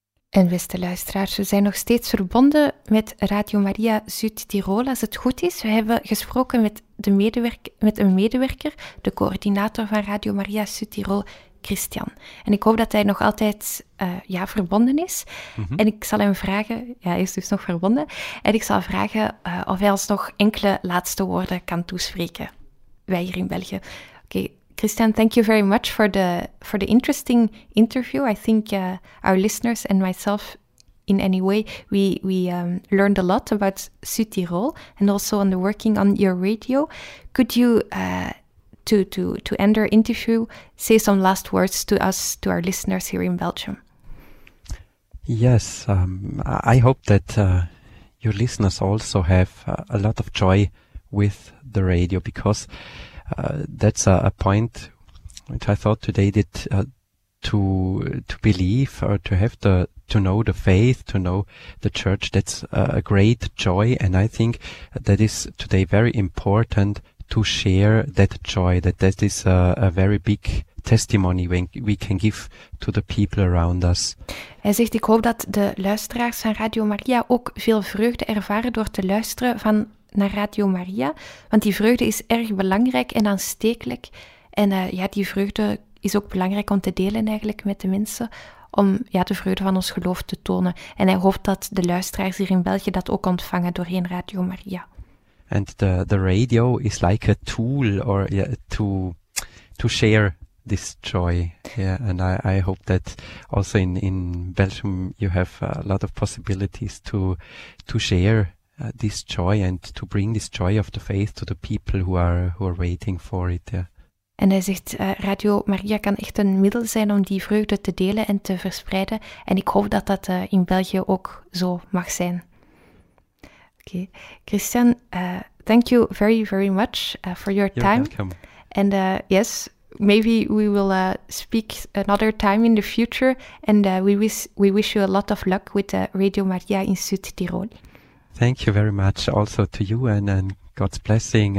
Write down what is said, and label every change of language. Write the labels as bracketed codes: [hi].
[nl] En beste luisteraars, we zijn nog steeds verbonden met Radio Maria Zuid-Tirol, als het goed is. We hebben gesproken met een medewerker, de coördinator van Radio Maria Zuid-Tirol, Christian. En ik hoop dat hij nog altijd verbonden is. Mm-hmm. En ik zal hem vragen, hij is dus nog verbonden, en ik zal vragen of hij ons nog enkele laatste woorden kan toespreken. Wij hier in België. Oké. [en] Christian, thank you very much for the interesting interview. I think our listeners and myself, in any way, we learned a lot about Südtirol and also on the working on your radio. Could you, to end our interview, say some last words to us, to our listeners here in Belgium? Yes, I hope that your listeners also have a lot of joy with the radio, because that's a point which I thought today, that to believe or to have to know the faith, to know the church, that's a great joy. And I think that is today very important to share that joy, that is a very big testimony when we can give to the people around us. [nl] Hij zegt, ik hoop dat de luisteraars van Radio Maria ook veel vreugde ervaren door te luisteren van naar Radio Maria, want die vreugde is erg belangrijk en aanstekelijk. En die vreugde is ook belangrijk om te delen eigenlijk met de mensen, om de vreugde van ons geloof te tonen. En hij hoopt dat de luisteraars hier in België dat ook ontvangen doorheen Radio Maria. [en] And the radio is like a tool to share this joy. Yeah, and I hope that also in Belgium you have a lot of possibilities to share this joy and to bring this joy of the faith to the people who are waiting for it. Yeah. [nl] En hij zegt, Radio Maria kan echt een middel zijn om die vreugde te delen en te verspreiden. En ik hoop dat dat in België ook zo mag zijn. Oké. [en] Christian, thank you very, very much for your time. You're welcome. And yes, maybe we will speak another time in the future. And we wish you a lot of luck with Radio Maria in Südtirol. Thank you very much also to you and God's blessing.